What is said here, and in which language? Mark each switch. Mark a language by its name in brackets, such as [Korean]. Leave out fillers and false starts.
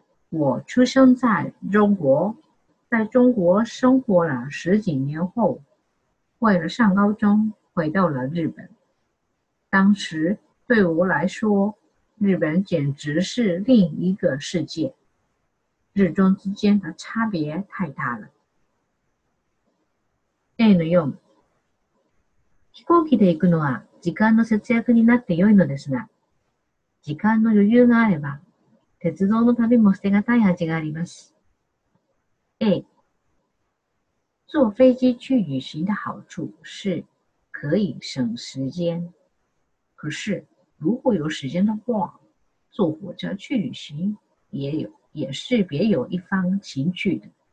[Chinese] 我出生在中国，在中国生活了十几年后，为了上高中回到了日本。当时对我来说，日本简直是另一个世界，日中之间的差别太大了。 [Japanese] A の4、飛行機で行くのは時間の節約になって良いのですが、時間の余裕があれば、鉄道の旅も捨てがたい味があります。 [Chinese] A、坐飞机去旅行的好处是可以省时间。可是，如果有时间的话，坐火车去旅行也是别有一番情趣的。